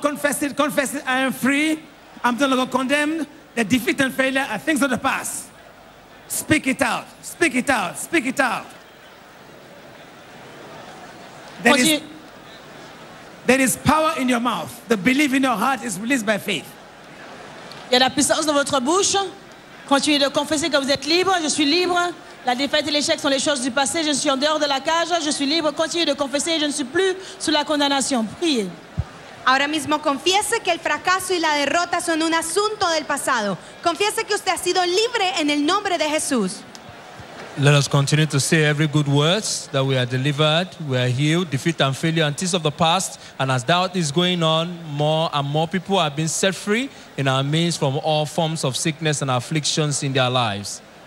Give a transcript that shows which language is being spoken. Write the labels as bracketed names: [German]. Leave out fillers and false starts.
[English] Confess it, confess it. I am free. I'm no longer condemned. The defeat and failure are things of the past. Speak it out. Speak it out. Speak it out. There is power in your mouth. The belief in your heart is released by faith. [French] Il y a la puissance dans votre bouche. Continuez de confesser que vous êtes libre. Je suis libre. La défaite et l'échec sont les choses du passé. Je suis en dehors de la cage. Je suis libre. Continuez de confesser. Je ne suis plus sous la condamnation. Priez. [Spanish] Ahora mismo confiese que el fracaso y la derrota son un asunto del pasado. Confiese que usted ha sido libre en el nombre de Jesús. [English] Let us continue to say every good words that we are delivered, we are healed, defeat and failure and things of the past. And as doubt is going on, more and more people have been set free in our midst from all forms of sickness and afflictions in their lives.